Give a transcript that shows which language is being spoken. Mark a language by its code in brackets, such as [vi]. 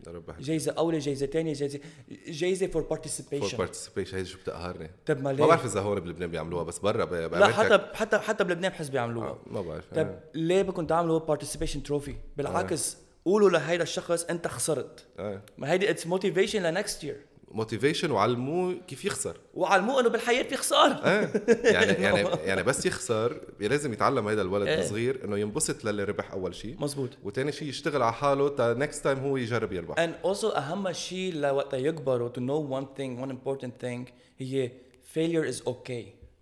[ar] نربح جايزة أولى، جايزة تانية، جايزة [en] for participation. for participation، [ar] هيدي شو بتقهرني. طب ما ليه؟ ما بعرف إذا هون بلبنان بيعملوها، بس برا لا، حتى حتى حتى بلبنان بحس بيعملوها. ما بعرف. طب ليه بكون تعملوا participation trophy؟ بالعكس قولوا لهيدا الشخص أنت خسرت. ما هيدي [en] it's motivation ل next year. [ar] موتيفيشن، وعلموه كيف يخسر، وعلموه انه بالحياه في خساره. يعني بس يخسر لازم يتعلم هذا الولد الصغير انه ينبسط للي ربح اول شيء، مزبوط، وثاني شيء يشتغل على حاله تا [en] next time [ar] هو يجرب يربح. [en] ان اوزو [ar] اهم شيء لوقت يكبر، [en] تو نو وان ثينج، وان امبورتنت ثينج، هي فيلير از اوكي.